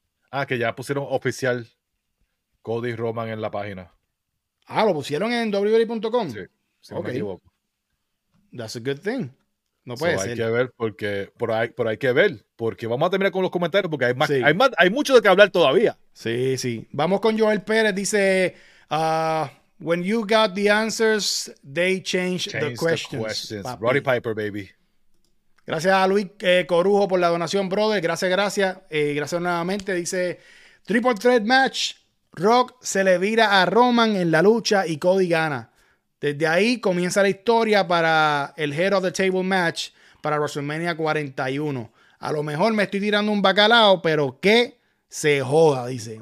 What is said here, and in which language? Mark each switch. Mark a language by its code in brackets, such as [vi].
[es] Ah, que ya pusieron oficial Cody Roman en la página. Ah, lo pusieron en WWE.com. Sí, si no me equivoco. [en] That's a good thing. [es] No puede ser. Hay que ver porque hay que ver. Porque vamos a terminar con los comentarios porque hay mucho de qué hablar todavía. Sí, sí. Vamos con Joel Pérez. [en] Dice, when you got the answers, they change the questions. Roddy Piper, baby. [es] Gracias a Luis Corujo por la donación, brother. Gracias. Gracias nuevamente. Dice, triple threat match. Rock se le vira a Roman en la lucha y Cody gana. Desde ahí comienza la historia para el Head of the Table Match para WrestleMania 41. A lo mejor me estoy tirando un bacalao, pero que se joda, dice.